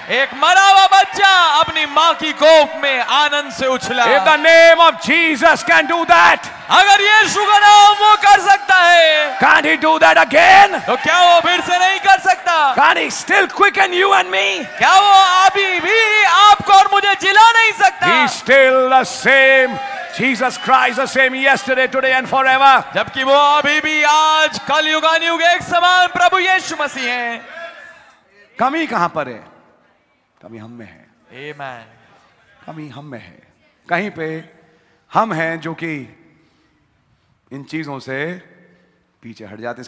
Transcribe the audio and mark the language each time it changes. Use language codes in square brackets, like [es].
[hi] एक मरा हुआ बच्चा अपनी माँ की कोख में आनंद से उछला. [en] if the name of Jesus can do that, [hi] अगर यीशु का नाम वो कर सकता है, [en] can he do that again, [hi] तो क्या वो फिर से नहीं कर सकता? [en] can he still quicken you and me, [hi] क्या वो अभी भी आपको और मुझे जिला नहीं सकता? [en] He still the same Jesus Christ, the same yesterday, today, and forever. [hi] जबकि वो अभी भी आज कल युगानुयुग एक समान प्रभु यीशु मसीह है. कमी कहां पर है? कमी हम में है. [en] Amen. [hi] कमी हम में है, कहीं पे हम हैं जो कि इन चीजों से पीछे हट जाते.